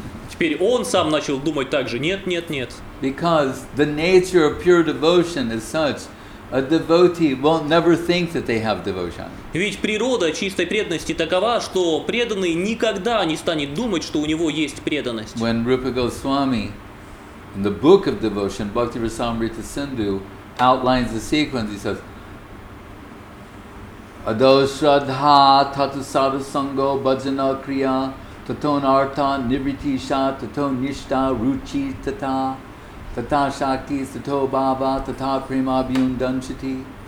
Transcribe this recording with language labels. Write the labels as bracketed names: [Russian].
[Russian] Теперь он сам начал думать так же, нет. [English] Because the nature of pure devotion is such, a devotee will never think that they have devotion. [Russian] Ведь природа чистой преданности такова, что преданный никогда не станет думать, что у него есть преданность. [English] When Rupa Goswami, in the book of devotion, Bhakti Rasamrita Sindhu, outlines the sequence, he says, [Sanskrit] Ado Shraddha Tatu Sadhu Sangho Bhajana Kriya Tato Nartha Nivritisha Tato Nishta Ruchi Tata Tata Shakti Tato Bhava Tata Prima Bhyun Danchiti.